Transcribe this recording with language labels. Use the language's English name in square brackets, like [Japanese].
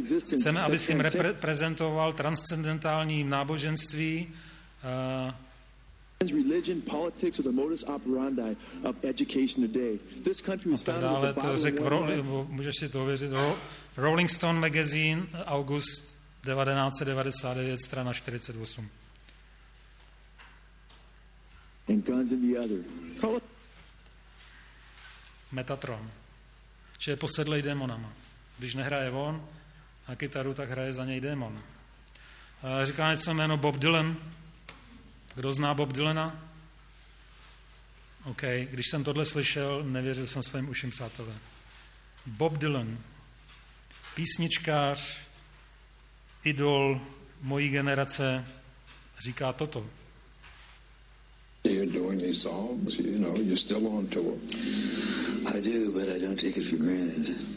[Czech] Chceme, aby jsi jim reprezentoval transcendentální náboženství. [English] Religion, politics, or the modus operandi of education today. This country was founded on the Bible. [Czech] Můžeš si to ověřit. [English] Rolling Stone magazine, August 1999, [Czech] strana 48. [English] And guns in the other. [Czech] Metatron. Čiže posedlej démonama. Když nehraje on na kytaru, tak hraje za něj démon. Říká něco jméno Bob Dylan. Kdo zná Bob Dylana? OK, když jsem tohle slyšel, nevěřil jsem svým uším, přátelé. Bob Dylan, písničkář, idol mojí generace, říká toto. [English] You're doing these songs, you know, you're still on tour. I do, but I don't take it for granted.